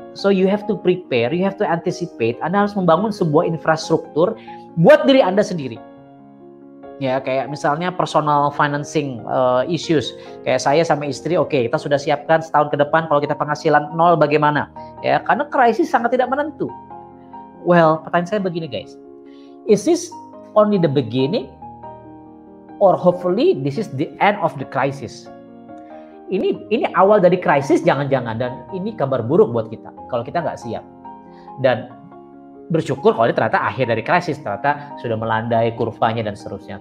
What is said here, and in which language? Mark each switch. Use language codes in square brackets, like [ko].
[en] So you have to prepare, you have to anticipate. [id] Anda harus membangun sebuah infrastruktur buat diri Anda sendiri. Ya, kayak misalnya personal financing issues. Kayak saya sama istri, oke, kita sudah siapkan setahun ke depan kalau kita penghasilan nol bagaimana? Ya, karena krisis sangat tidak menentu. Well, pertanyaan saya begini guys. [en] Is this only the beginning? Or hopefully this is the end of the crisis? [id] Ini awal dari krisis jangan-jangan. Dan ini kabar buruk buat kita kalau kita nggak siap. Dan bersyukur kalau ini ternyata akhir dari krisis, ternyata sudah melandai kurvanya dan seterusnya.